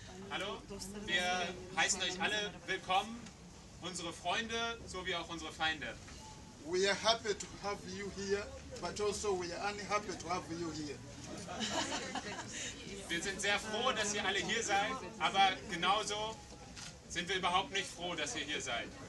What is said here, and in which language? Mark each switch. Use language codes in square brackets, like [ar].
[de] Hallo, wir heißen euch alle willkommen, unsere Freunde sowie auch unsere Feinde. [en] We are happy to have you here, but also we are unhappy to have you here. [de] Wir sind sehr froh, dass ihr alle hier seid, aber genauso sind wir überhaupt nicht froh, dass ihr hier seid.